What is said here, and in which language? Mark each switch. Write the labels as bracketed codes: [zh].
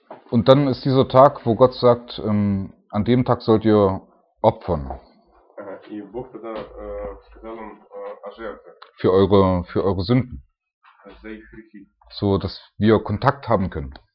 [de] Und dann ist dieser Tag, wo Gott sagt, an dem Tag sollt ihr opfern. [ru] И Бог тогда сказал им о жертве. [de] Für eure Sünden. So, dass wir Kontakt haben können.